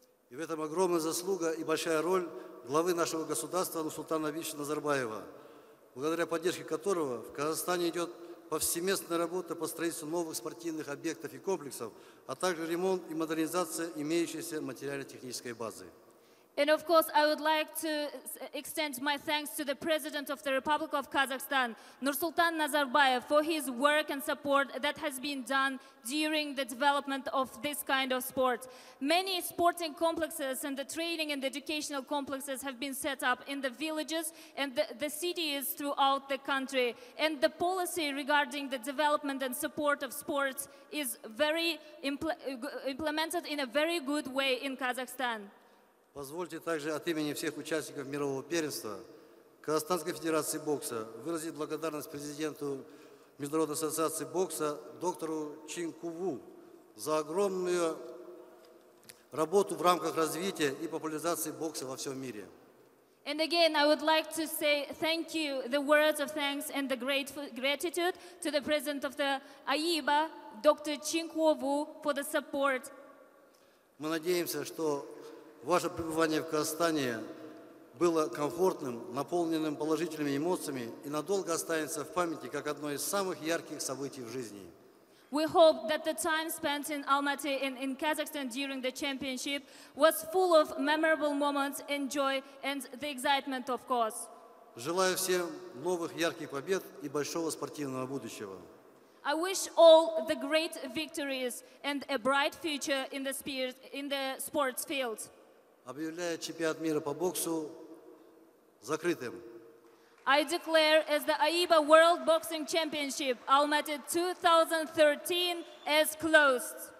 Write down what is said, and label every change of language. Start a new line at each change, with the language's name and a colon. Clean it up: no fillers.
Russian: И в этом огромная заслуга и большая роль главы нашего государства Нурсултана Абишевича Назарбаева, благодаря поддержке которого в Казахстане идет повсеместная работа по строительству новых спортивных объектов и комплексов, а также ремонт и модернизация имеющейся материально-технической базы.
English: And of course, I would like to extend my thanks to the President of the Republic of Kazakhstan, Nursultan Nazarbayev, for his work and support that has been done during the development of this kind of sport. Many sporting complexes and the training and educational complexes have been set up in the villages and the cities throughout the country. And the policy regarding the development and support of sports is very implemented in a very good way in Kazakhstan.
Russian: Позвольте также от имени всех участников мирового первенства Казахстанской Федерации бокса выразить благодарность президенту Международной ассоциации бокса доктору Ching-Kuo Wu за огромную работу в рамках развития и популяризации бокса во всем мире.
English: And again, I would like to say thank you, the words of thanks and the great gratitude to the president of the AIBA, Dr. Ching-Kuo Wu, for the support.
Russian: Мы надеемся, что ваше пребывание в Казахстане было комфортным, наполненным положительными эмоциями и надолго останется в памяти как одно из самых ярких событий в жизни.
English: We hope that the time spent in Almaty and in Kazakhstan during the championship was full of memorable moments and joy and the excitement, of course.
Russian: Желаю всем новых ярких побед и большого спортивного будущего.
English: I wish all the great victories and a bright future in the sports field.
Russian: Объявляю чемпионат мира по боксу закрытым.
English: I declare as the AIBA World Boxing Championship Almaty 2013 as closed.